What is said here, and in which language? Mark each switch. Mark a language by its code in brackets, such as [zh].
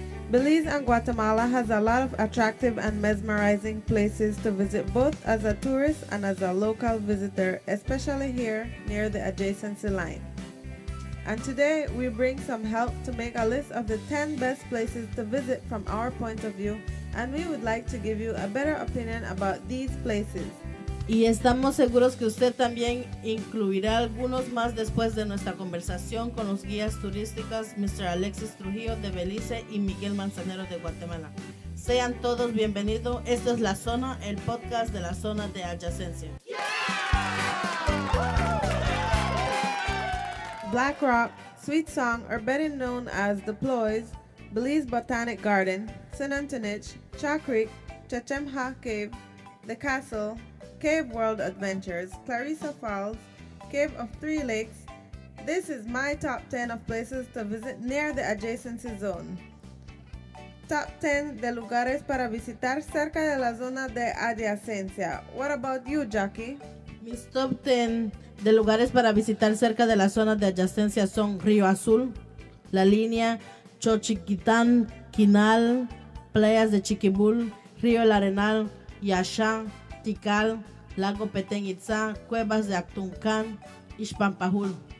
[en] Belize and Guatemala has a lot of attractive and mesmerizing places to visit both as a tourist and as a local visitor, especially here near the adjacency line. And today, we bring some help to make a list of the 10 best places to visit from our point of view, and we would like to give you a better opinion about these places. [es] Y estamos seguros que usted también incluirá algunos más después de nuestra conversación con los guías turísticos, Mr. Alexis Trujillo de Belice y Miguel Manzanero de Guatemala. Sean todos bienvenidos. Esto es La Zona, el podcast de la zona de adyacencia. [en] Black Rock, Sweet Song, or better known as The Ploys, Belize Botanic Garden, St. Antonich, Cha Creek, Chachemha Cave, The Castle, Cave World Adventures, Clarissa Falls, Cave of Three Lakes. This is my top 10 of places to visit near the adjacency zone. [es] Top 10 de lugares para visitar cerca de la zona de adyacencia. [en] What about you, Jackie? [es] Mis top 10 de lugares para visitar cerca de la zona de adyacencia son Río Azul, La Línea, Chochiquitán, Quinal, Playas de Chiquibul, Río El Arenal, Yaxá, Tikal, Lago Petén Itzá, Cuevas de Actuncán, Ixpampajul.